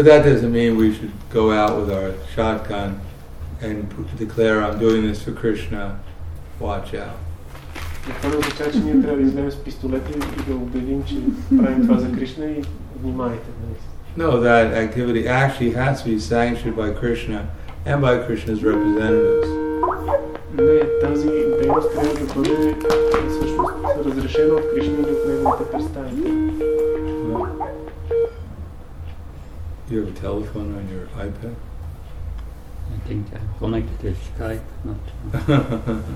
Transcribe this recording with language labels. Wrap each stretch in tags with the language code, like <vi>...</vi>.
<en>But that doesn't mean we should go out with our shotgun and declare, I'm doing this for Krishna, watch out.</en> <bg>Това не означава, че ние трябва да изглеме с пистолета и да убедим, че правим това за Кришна и внимайте.</bg> <en>No, that activity actually has to be sanctioned by Krishna and by Krishna's representatives.</en> <bg>Не, тази дейност трябва да бъде всъщност разрешена от Кришна и от неговите представители.</bg> <en>You have a telephone on your iPad? I think I connected to Skype, not to...</en>